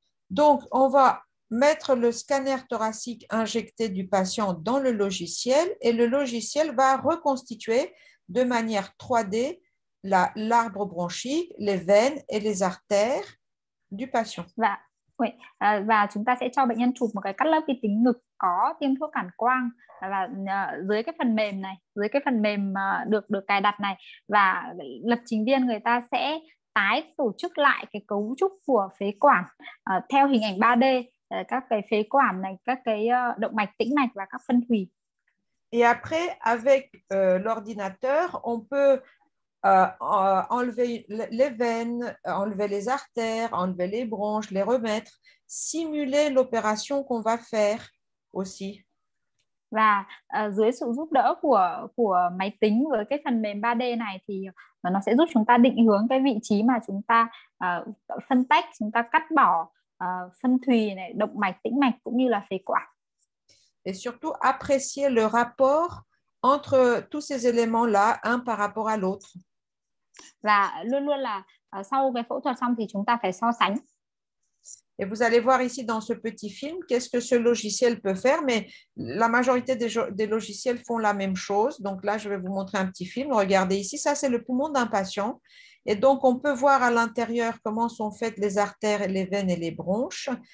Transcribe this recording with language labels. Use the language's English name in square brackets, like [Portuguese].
[French] Donc, on va mettre le scanner thoracique injecté du patient dans le logiciel et le logiciel va reconstituer de manière 3D l'arbre bronchique, les veines et les artères du patient. [Vietnamese] Và chúng ta sẽ cho bệnh nhân chụp một cái cắt lớp vi tính ngực có tiêm thuốc cản quang và dưới cái phần mềm này, dưới cái phần mềm được được cài đặt này, và lập trình viên người ta sẽ tái tổ chức lại cái cấu trúc của phế quản theo hình ảnh 3D, các cái phế quản này, các cái động mạch tĩnh mạch và các phân thùy. [French] Et après, avec l'ordinateur, on peut enlever les veines, enlever les artères, enlever les bronches, les remettre, simuler l'opération qu'on va faire aussi. [Vietnamese] Và dưới sự giúp đỡ của máy tính với cái phần mềm 3D này thì nó sẽ giúp chúng ta định hướng cái vị trí mà chúng ta phân tách, chúng ta cắt bỏ phân thùy này, động mạch, tĩnh mạch cũng như là phế quản. [French] Et surtout apprécier le rapport entre tous ces éléments-là, un par rapport à l'autre. [Vietnamese] Và luôn luôn là sau cái phẫu thuật xong thì chúng ta phải so sánh. [French] Et vous allez voir ici dans ce petit film qu'est-ce que ce logiciel peut faire, mais la majorité des logiciels font la même chose. Donc là, je vais vous montrer un petit film. Regardez ici, ça, c'est le poumon d'un patient. Et donc, on peut voir à l'intérieur comment sont faites les artères et les veines et les bronches.